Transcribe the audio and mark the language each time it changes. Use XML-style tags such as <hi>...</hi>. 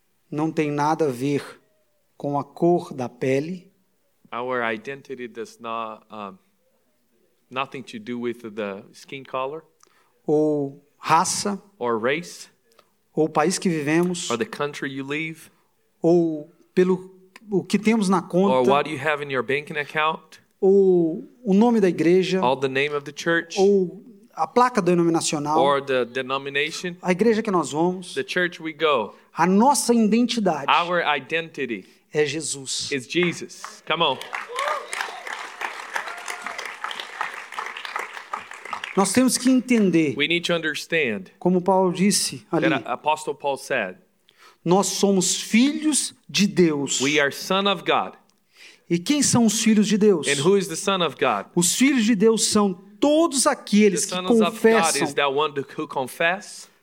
<pt>Não tem nada a ver com a cor da pele.</pt> <en>Our identity does not nothing to do with the skin color.</en> <pt>Ou raça.</pt> <en>Or race.</en> <pt>Ou país que vivemos.</pt> <en>Or the country you live.</en> <pt>Ou pelo o que temos na conta.</pt> <en>Or what you have in your banking account.</en> <pt>Ou o nome da igreja.</pt> <en>Or the name of the church.</en> <pt>Ou a placa denominacional.</pt> <en>Or the denomination.</en> <pt>A igreja que nós vamos.</pt> <en>The church we go.</en> <pt>A nossa identidade.</pt> <en>Our identity.</en> <pt>É Jesus.</pt> <en>It's Jesus. Come on.</en> <pt>Nós temos que entender.</pt> <en>We need to understand.</en> <pt>Como Paulo disse ali.</pt> <en>That Apostle Paul said.</en> <pt>Nós somos filhos de Deus.</pt> <en>We are son of God.</en> <pt>E quem são os filhos de Deus?</pt> <en>And who is the son of God?</en> <pt>Os filhos de Deus são todos aqueles que confessam.</pt> <en>The son of God is that one who confess.</en>